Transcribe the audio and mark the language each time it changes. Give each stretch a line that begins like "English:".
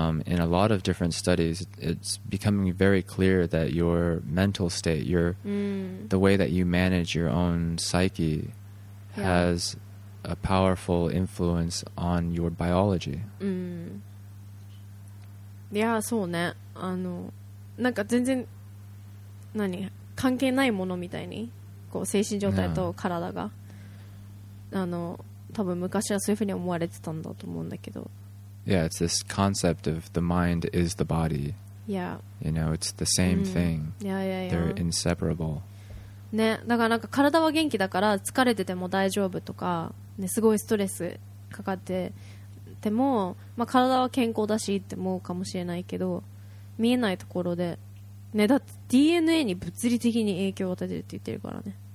English: In a lot of different studies, it's becoming very clear that your mental state, your the way that you manage your own psyche has a powerful influence on your biology.
Japanese: Yeah, そうね。なんか全然何関係ないものみたいに、こう精神状態と体が、多分昔はそういうふうに思われてたんだと思うんだけど。
English: Yeah, it's this concept of the mind is the body. Yeah. You know, it's the same thing. Yeah, yeah, yeah. They're inseparable.
Japanese: ね、だからなんか体は元気だから疲れてても大丈夫とか、ね、すごいストレスかかってても、まあ、体は健康だしって思うかもしれないけど、見えないところで。ね、だって DNA に物理的に影響を与えてるって言ってるからね。